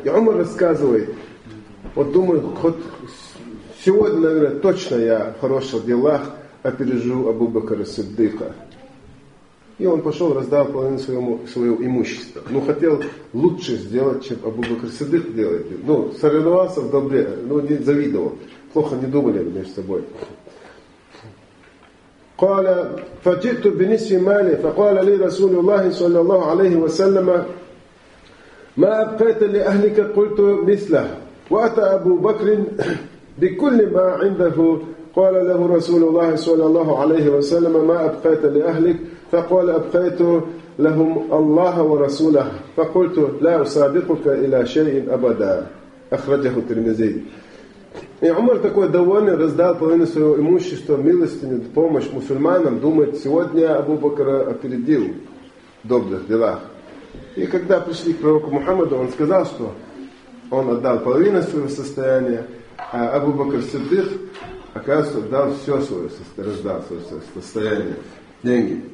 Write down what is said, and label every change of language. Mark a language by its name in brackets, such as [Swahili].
[Russian] И Умар рассказывает: вот думаю, хоть сегодня, наверное, точно я в хороших делах опережу Абу Бакра Саддика. И он пошел, раздал половину своего имущества. Ну, хотел лучше сделать, чем Абу Бакр Саддик делает. Ну, соревновался в добре, ну, не завидовал. Плохо не думали между собой. [Arabic] قال فجئت بنصف مالي فقال لي رسول الله صلى الله عليه وسلم ما أبقيت لأهلك قلت مثله وأتى أبو بكر بكل ما عنده قال له رسول الله صلى الله عليه وسلم ما أبقيت لأهلك فقال أبقيت لهم الله ورسوله فقلت لا أسابقك إلى شيء أبدا أخرجه الترمذي. [Russian] И Умар такой довольный, раздал половину своего имущества, милостыню, помощь мусульманам, думает, сегодня Абу Бакра опередил в добрых делах. И когда пришли к пророку Мухаммаду, он сказал, что он отдал половину своего состояния, а Абу Бакр Саддик, оказывается, отдал все свое состояние. деньги.